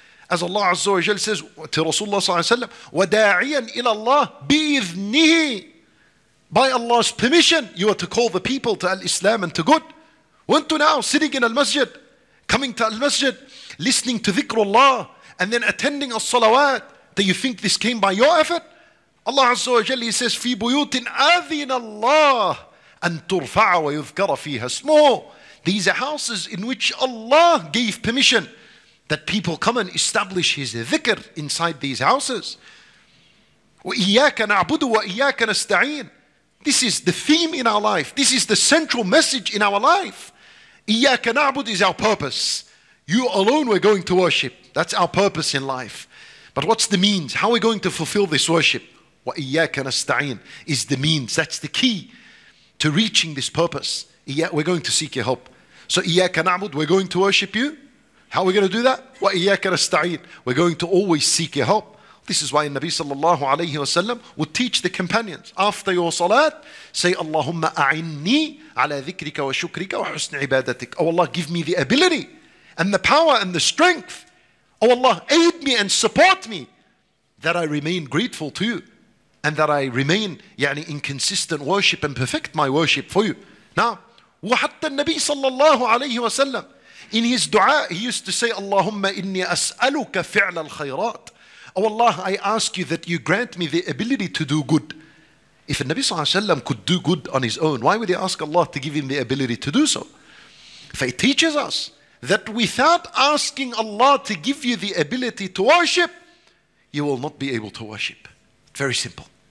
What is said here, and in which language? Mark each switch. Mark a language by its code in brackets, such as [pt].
[en] As Allah Azza wa Jal says to Rasulullah Sallallahu Alaihi Wasallam, [ar] وَدَاعِيًا إِلَى اللَّهِ بِإِذْنِهِ. [en] By Allah's permission, you are to call the people to Al-Islam and to good. Weren't you now sitting in Al-Masjid, coming to Al-Masjid, listening to Dhikrullah, and then attending As-Salawat, that you think this came by your effort? [ar] Allah Azza wa Jal, [en] he says, [ar] فِي بُيُوتٍ أَذِنَ اللَّهِ أَن تُرْفَعَ وَيُذْكَرَ فِيهَا اسْمُهُ. [en] These are houses in which Allah gave permission that people come and establish his dhikr inside these houses. [ar] وَإِيَّاكَ نَعْبُدُ وَإِيَّاكَ نَسْتَعِينَ. [en] This is the theme in our life. This is the central message in our life. [ar] إِيَّاكَ نَعْبُدُ [en] is our purpose. You alone we're going to worship. That's our purpose in life. But what's the means? How are we going to fulfill this worship? [ar] وَإِيَّاكَ نَسْتَعِينَ [en] is the means. That's the key to reaching this purpose. Yeah, we're going to seek your help. So [ar] إِيَّاكَ نَعْبُدُ, [en] we're going to worship you. How are we going to do that? [ar] وَإِيَّاكَ نَسْتَعِينُ, [en] we're going to always seek your help. This is why Nabi sallallahu alayhi wa sallam would teach the companions after your salat, say, [ar] اللهم أعني على ذكرك وشكرك وحسن عبادتك. [en] Oh Allah, give me the ability and the power and the strength. Oh Allah, aid me and support me that I remain grateful to you and that I remain [ar] يعني, [en] in consistent worship and perfect my worship for you. Now, [ar] وحتى النبي صلى الله عليه وسلم [en] in his dua, he used to say, [ar] اللهم إني أسألك فعل الخيرات. [en] Oh Allah, I ask you that you grant me the ability to do good. If the Nabi Sallallahu Alaihi Wasallam could do good on his own, why would he ask Allah to give him the ability to do so? For it teaches us that without asking Allah to give you the ability to worship, you will not be able to worship. Very simple.